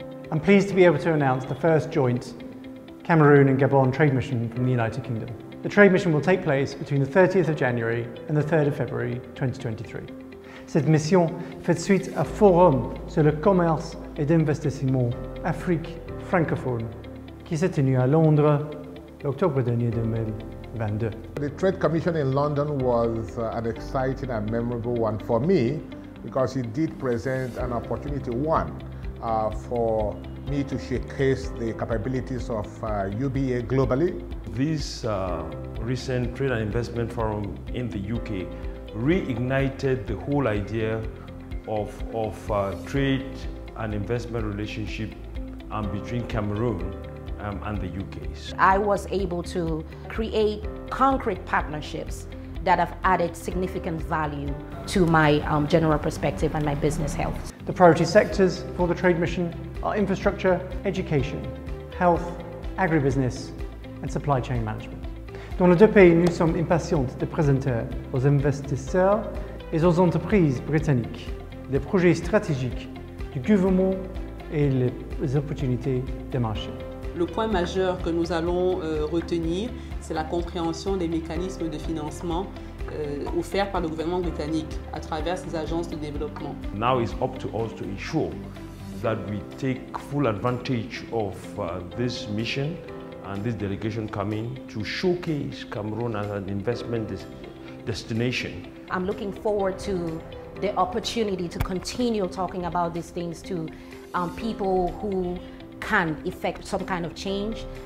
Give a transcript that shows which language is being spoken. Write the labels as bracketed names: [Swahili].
[English] I'm pleased to be able to announce the first joint Cameroon and Gabon trade mission from the United Kingdom. The trade mission will take place between the 30th of January and the 3rd of February 2023. [French] Cette mission fait suite à forum sur le commerce et d'investissement Afrique francophone qui s'est tenu à Londres l'octobre dernier 2022. [English] The trade commission in London was an exciting and memorable one for me because it did present an opportunity, one, for me to showcase the capabilities of UBA globally. This recent trade and investment forum in the UK reignited the whole idea of trade and investment relationship between Cameroon and the UK. I was able to create concrete partnerships that have added significant value to my general perspective and my business health. The priority sectors for the trade mission are infrastructure, education, health, agribusiness, and supply chain management. [French] Dans les deux pays, nous sommes impatients de présenter aux investisseurs et aux entreprises britanniques les projets stratégiques du gouvernement et les opportunités de marché. Le point majeur que nous allons retenir, c'est la compréhension des mécanismes de financement offerts par le gouvernement britannique à travers ses agences de développement. [English] Now it's up to us to ensure that we take full advantage of this mission and this delegation coming to showcase Cameroon as an investment destination. I'm looking forward to the opportunity to continue talking about these things to people who can effect some kind of change.